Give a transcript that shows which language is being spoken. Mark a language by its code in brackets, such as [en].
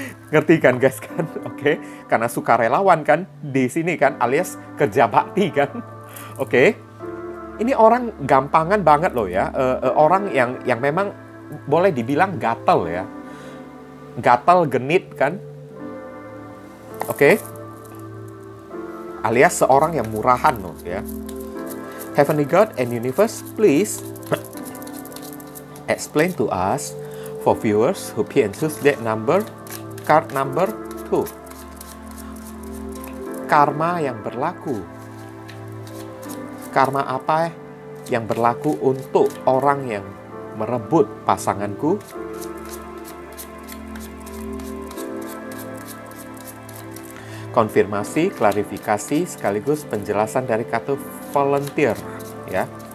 [id] Ngerti kan guys kan? Oke, karena sukarelawan kan di sini kan, alias kerja bakti kan. Oke. Ini orang gampangan banget loh ya. Orang yang memang boleh dibilang gatel ya. Gatel, genit kan. Oke. Alias seorang yang murahan loh ya. [en] Heavenly God and Universe, please explain to us for viewers who pick and choose that number, card number 2. [id] Karma yang berlaku. Karma apa yang berlaku untuk orang yang merebut pasanganku? Konfirmasi, klarifikasi, sekaligus penjelasan dari kartu volunteer, ya.